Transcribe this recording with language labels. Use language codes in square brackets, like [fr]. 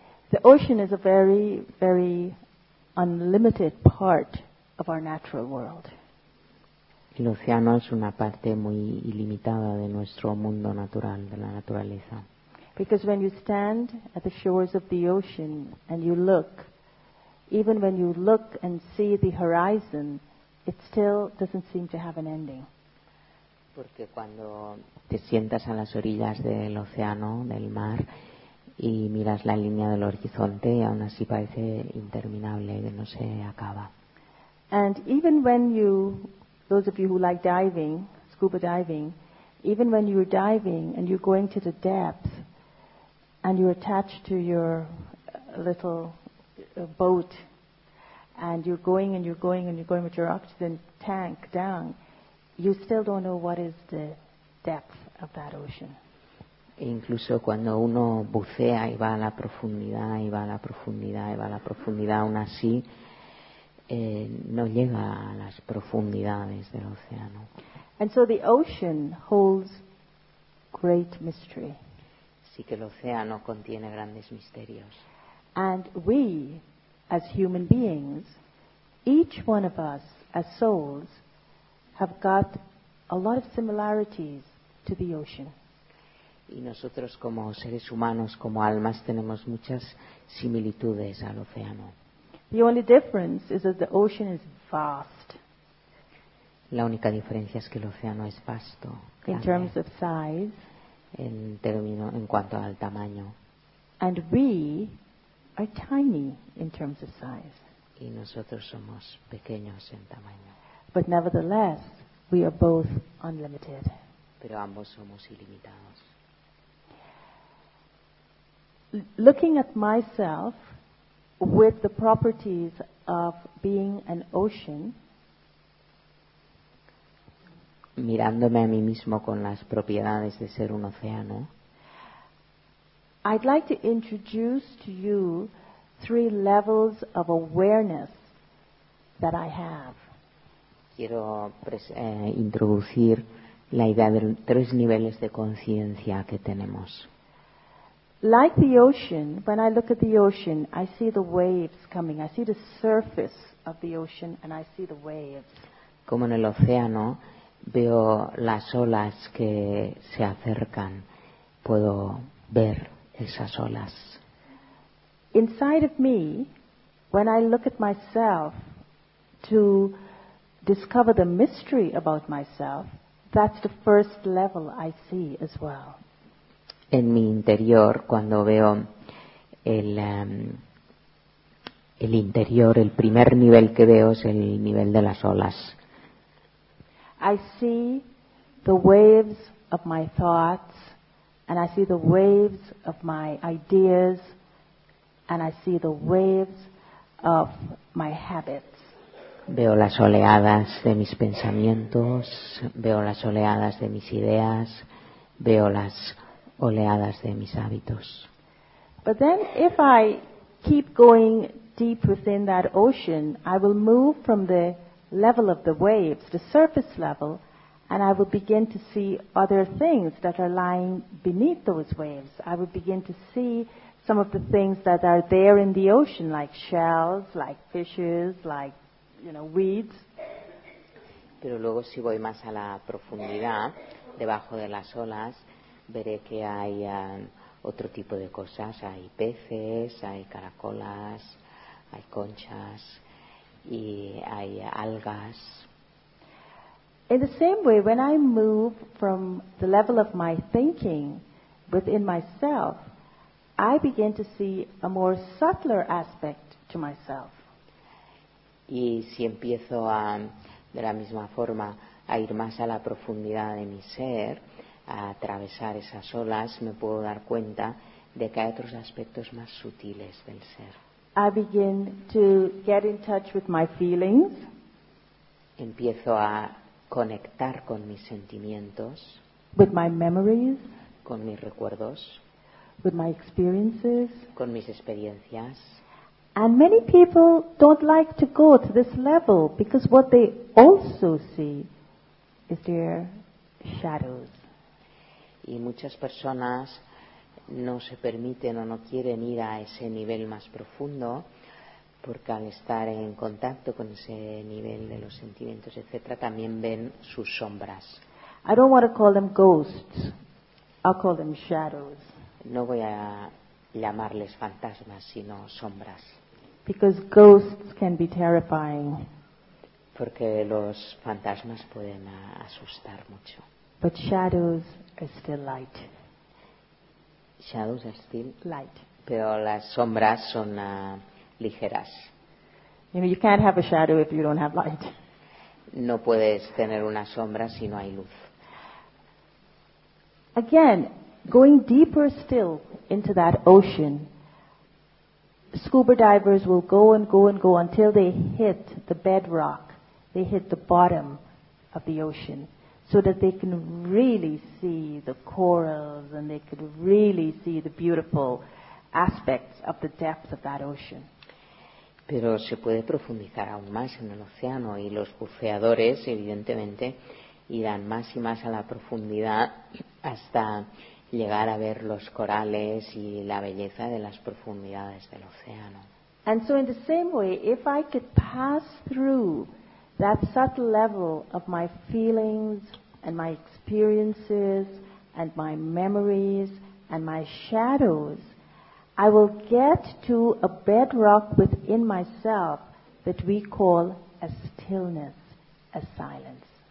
[en] The ocean is a very, very unlimited part of our natural world. [es] El océano es una parte muy ilimitada de nuestro mundo natural, de la naturaleza. [en] Because when you stand at the shores of the ocean and you look, even when you look and see the horizon, it still doesn't seem to have an ending. [es] Porque cuando te sientas a las orillas del océano, del mar, y miras la línea del horizonte, aún así parece interminable, que no se acaba. [en] And even when you, those of you who like diving, scuba diving, even when you're diving and you're going to the depth and you're attached to your little boat and you're going and you're going and you're going with your oxygen tank down, you still don't know what is the depth of that ocean. [es] E incluso cuando uno bucea y va a la profundidad y va a la profundidad y va a la profundidad, aún así no llega a las profundidades del océano. [en] And so the ocean holds great mystery. [es] Sí que el océano contiene grandes misterios. [en] And we, as human beings, each one of us, as souls, have got a lot of similarities to the ocean. [es] Y nosotros como seres humanos, como almas, tenemos muchas similitudes al océano. [en] The only difference is that the ocean is vast. [es] La única diferencia es que el océano es vasto. [en] In terms of size. [es] En cuanto al tamaño. [en] And we are tiny in terms of size. [es] Y nosotros somos pequeños en tamaño. [en] But nevertheless, we are both unlimited. [es] Pero ambos somos ilimitados. [en] Looking at myself with the properties of being an ocean. [es] Mirándome a mí mismo con las propiedades de ser un océano. [en] I'd like to introduce to you three levels of awareness that I have. [es] Quiero introducir la idea de tres niveles de conciencia que tenemos. [en] Like the ocean, when I look at the ocean, I see the waves coming. I see the surface of the ocean and I see the waves. [es] Como en el océano, veo las olas que se acercan. Puedo ver esas olas. [en] Inside of me, when I look at myself to discover the mystery about myself, that's the first level I see as well. [es] En mi interior, cuando veo el interior, el primer nivel que veo es el nivel de las olas. [en] I see the waves of my thoughts, and I see the waves of my ideas, and I see the waves of my habits. [es] Veo las oleadas de mis pensamientos, veo las oleadas de mis ideas, veo las oleadas de mis hábitos. [en] But then if I keep going deep within that ocean, I will move from the level of the waves, the surface level, and I will begin to see other things that are lying beneath those waves. I will begin to see some of the things that are there in the ocean, like shells, like fishes, like, you know, weeds. [es] Pero luego si voy más a la profundidad, debajo de las olas, veré que hay otro tipo de cosas. Hay peces, hay caracolas, hay conchas y hay algas. [en] In the same way, when I move from the level of my thinking within myself, I begin to see a more subtler aspect to myself. [es] Y si empiezo de la misma forma a ir más a la profundidad de mi ser, a atravesar esas olas, me puedo dar cuenta de que hay otros aspectos más sutiles del ser. [en] I begin to get in touch with my feelings. [es] Empiezo a conectar con mis sentimientos. [en] With my memories. [es] con mis recuerdos, [en] with my experiences, [es] con mis experiencias. [en] And many people don't like to go to this level because what they also see is their shadows. [es] Y muchas personas no se permiten o no quieren ir a ese nivel más profundo porque al estar en contacto con ese nivel de los sentimientos, etcétera, también ven sus sombras. [en] I don't want to call them ghosts. I'll call them shadows. [es] No voy a llamarles fantasmas, sino sombras. [en] Because ghosts can be terrifying. [es] Porque los fantasmas pueden asustar mucho. [en] But shadows are still light. Shadows are still light. [es] Pero las sombras son ligeras. [en] You know, you can't have a shadow if you don't have light. [es] No puedes tener una sombra si no hay luz. [en] Again, going deeper still into that ocean, scuba divers will go and go and go until they hit the bedrock, they hit the bottom of the ocean, so that they can really see the corals and they can really see the beautiful aspects of the depth of that ocean. [es] Pero se puede profundizar aún más en el océano y los buceadores, evidentemente, irán más y más a la profundidad hasta llegar a ver los corales y la belleza de las profundidades del océano. [en] And so in the same way, if I could pass through that subtle level of my feelings and my experiences and my memories and my shadows, I will get to a bedrock within myself that we call a stillness, a silence.